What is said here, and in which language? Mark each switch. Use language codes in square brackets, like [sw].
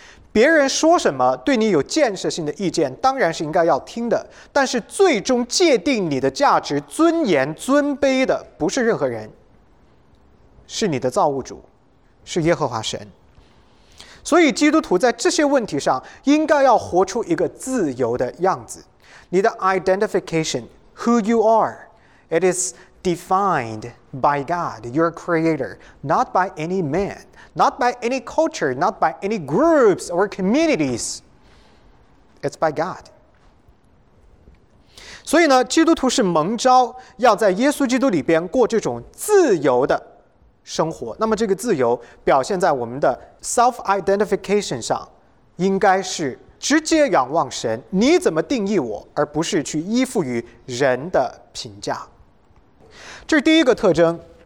[zh] 别人说什么对你有建设性的意见当然是应该要听的，但是最终界定你的价值、尊严、尊卑的不是任何人，是你的造物主，是耶和华神。所以基督徒在这些问题上应该要活出一个自由的样子。 [en] 你的 identification, who you are, it is defined by God, your creator, not by any man, not by any culture, not by any groups or communities. It's by God. [zh] 所以呢，基督徒是蒙召要在耶稣基督里边过这种自由的生活。那么这个自由表现在我们的 self-identification 上，应该是直接仰望神，你怎么定义我，而不是去依附于人的评价。这是第一个特征。